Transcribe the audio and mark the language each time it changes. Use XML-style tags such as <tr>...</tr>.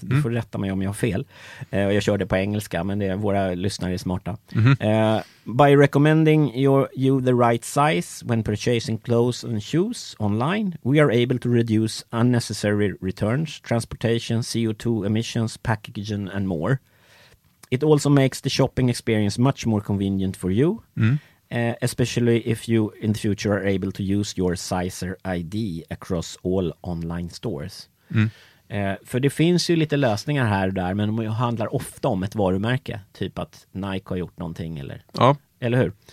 <sv>Du får rätta mig om jag har fel. Jag kör det på engelska, men det är våra lyssnare är smarta.</sv> <en>By recommending you the right size when purchasing clothes and shoes online, we are able to reduce unnecessary returns, transportation, CO2 emissions, packaging and more. It also makes the shopping experience much more convenient for you. Especially if you in the future are able to use your Sizer ID across all online stores.</en> <sv>För det finns ju lite lösningar här och där, men det handlar ofta om ett varumärke. Typ att Nike har gjort någonting. Eller hur?</sv>